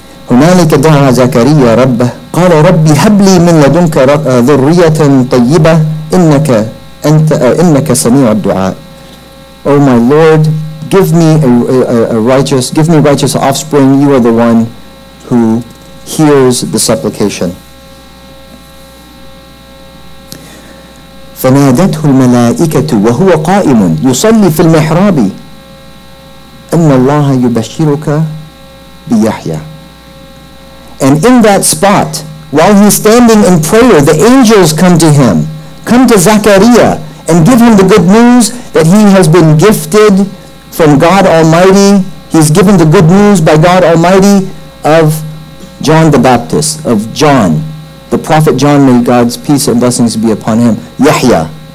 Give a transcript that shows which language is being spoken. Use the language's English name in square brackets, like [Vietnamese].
[Arabic] هنالك دعا زكريا ربه قال ربي هب لي من لدنك ذرية طيبة إنك أنت إنك سميع الدعاء. [English] O my Lord, give me righteous offspring. You are the one who hears the supplication. [Arabic] فنادته الملائكة وهو قائم يصلي في المحراب أن الله يبشرك بيحيى. [English] And in that spot, while he's standing in prayer, the angels come to him, come to Zechariah, and give him the good news that he has been gifted from God Almighty. He's given the good news by God Almighty of John the Baptist, of John, the prophet John, may God's peace and blessings be upon him, Yahya.